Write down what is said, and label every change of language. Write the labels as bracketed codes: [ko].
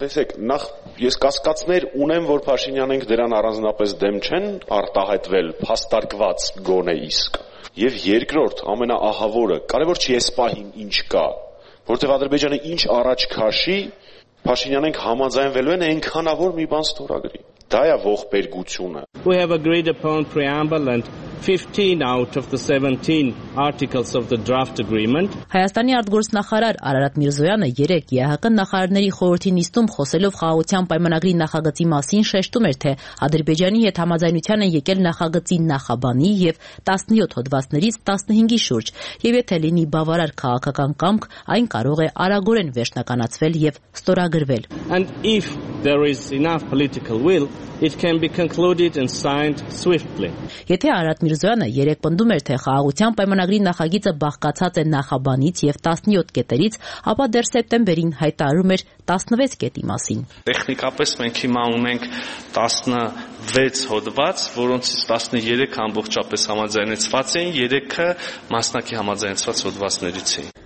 [hy] Տեսեք, նախ ես կասկածներ ունեմ, որ Փաշինյանը դրան առանձնապես դեմ չեն արտահայտվել, փաստարկված գոնե իսկ։ Եվ երկրորդ, ամենաահավորը, կարևոր չի այս պահին ինչ կա, որտեղ Ադրբեջանը ինչ առաջ քաշի, Փաշինյանը համաձայնվելու են այնքանավոր մի բան ստորագրի։ Դա է ողբերգությունը։ [en] We have agreed upon preamble and 15 out of the 17 articles of the draft agreement. [hy] Հայաստանի արտգործնախարար Արարատ Միրզոյանը 3 ԵՀԿ նախարարների խորհրդի նիստում խոսելով խաղաղության պայմանագրի նախագծի մասին շեշտում էր, թե Ադրբեջանի հետ համաձայնության են եկել նախագծի նախաբանի եւ 17 հոդվածներից 15-ի շուրջ, եւ եթե լինի բավարար քաղաքական կամք, այն կարող է արագորեն վերջնականացվել եւ ստորագրվել. [en] And if there is enough political will, it can be concluded and signed swiftly. [hy] Եթե Արարատ Միրզոյանը երեկ պնդում էր, թե խաղաղության պայմանագրի նախագիծը բաղկացած է նախաբանից եւ 17 կետերից, ապա դեռ սեպտեմբերին հայտարարում էր 16 կետի մասին։ Տեխնիկապես մենք հիմա ունենք 16 հոդված, որոնցից 13 ամբողջապես համաձայնեցված են, 3-ը մասնակի համաձայնեցված հոդվածներից են։